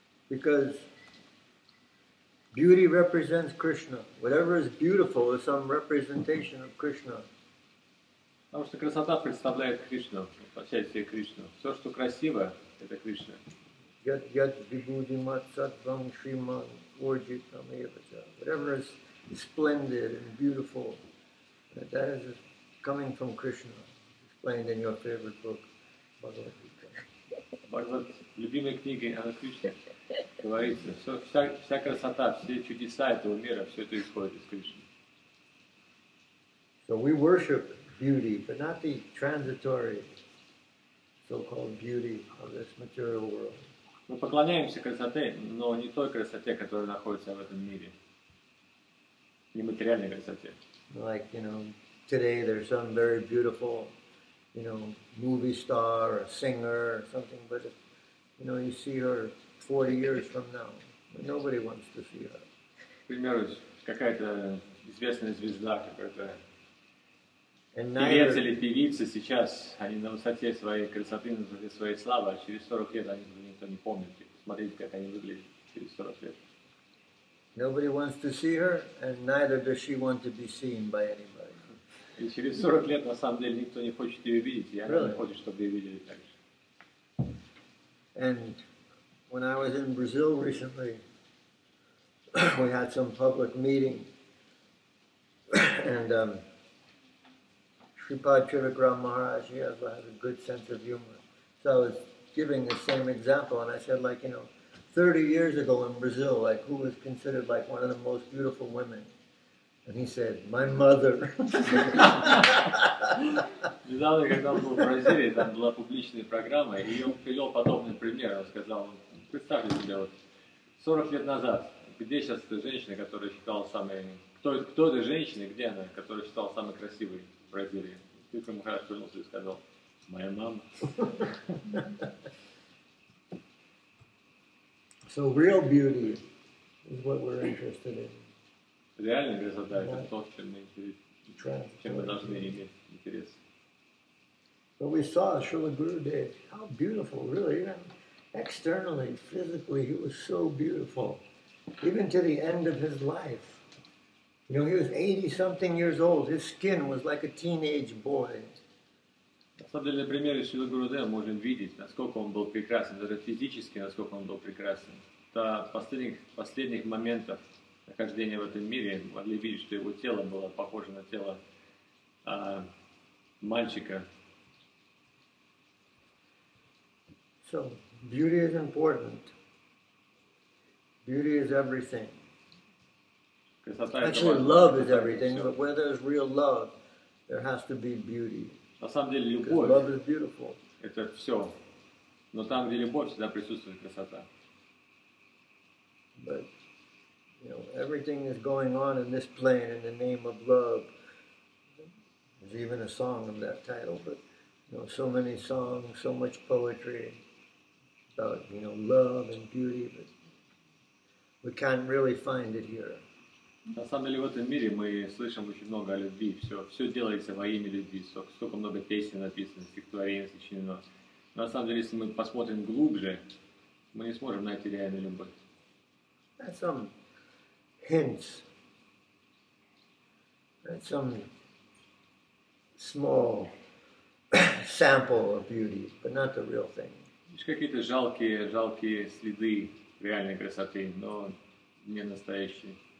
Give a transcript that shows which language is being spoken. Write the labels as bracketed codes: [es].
[en] Because beauty represents Krishna. Whatever is beautiful is some representation of Krishna. [ru] Потому что красота представляет Кришну, воплощает себе Кришну. Все, что красиво, это Кришна. [sa] Yad yad vibhuti mat sattvam shriman urjitam evacha. [en] Whatever is splendid and beautiful, that is coming from Krishna, explained in your favorite book, Bhagavad Gita. [ru] Бхагавад, любимой книге о Кришне, говорится, что вся красота, все чудеса этого мира, все это исходит из Кришны. [en] So we worship beauty, but not the transitory so-called beauty of this material world. [ru] Мы поклоняемся красоте, но не той красоте, которая находится в этом мире, нематериальной красоте. [en] Like, you know, today there's some very beautiful, you know, movie star or singer or something, but if, you know, you see her 40 years from now, nobody wants to see her. [ru] К примеру, какая-то известная звезда, какая-то певец или певица сейчас, они на высоте своей красоты, на высоте своей славы, а через 40 лет они никто не помнит. Смотрите, как они выглядят через 40 лет. [en] Nobody wants to see her, and neither does she want to be seen by anybody. [ru] И через 40 лет, на самом деле, никто не хочет ее видеть, и она не хочет, чтобы ее видели так же. [en] And when I was in Brazil recently, we had some public meeting, and Shripad Trivikram Maharaj, he has a good sense of humor. So I was giving the same example, and I said, like, you know, 30 years ago in Brazil, like, who was considered, like, one of the most beautiful women? And he said, my mother. [ru] Недавно, когда он был в Бразилии, там была публичная программа, и он привел подобный пример. Он сказал, представьте себе, вот 40 лет назад, где сейчас эта женщина, которая считала самой... Кто эта женщина, где она, которая считала самой красивой? В Бразилии. Ты кому хорошо вернулся и сказал, моя мама. [en] So real beauty is what we're interested in. [ru] Реальная красота — это то, чем мы должны иметь интерес. [en] But we saw Srila Gurudev, how beautiful, really, even externally, physically, he was so beautiful. Even to the end of his life. You know, he was 80-something years old. His skin was like a teenage boy. [ru] На самом деле, на примере Шрилы Гурудева мы можем видеть, насколько он был прекрасен, даже физически, насколько он был прекрасен. До последних моментов нахождения в этом мире могли видеть, что его тело было похоже на тело мальчика. [en] So, beauty is important. Beauty is everything. Actually, love is everything, but where there's real love, there has to be beauty. [ru] На самом деле, любовь. [en] Because love is beautiful. [ru] Это все. Но там, где любовь, всегда присутствует красота. [en] But you know, everything is going on in this plane in the name of love. There's even a song of that title. But you know, so many songs, so much poetry about, you know, love and beauty, but we can't really find it here. [ru] На самом деле, в этом мире мы слышим очень много о любви, все делается во имя любви, столько много песен написано, стихотворений сочинено. Но на самом деле, если мы посмотрим глубже, мы не сможем найти реальную любовь. [en] That's some hints. That's some small sample of beauty, but not the real thing. [ru] Лишь какие-то жалкие следы реальной красоты, но не настоящие.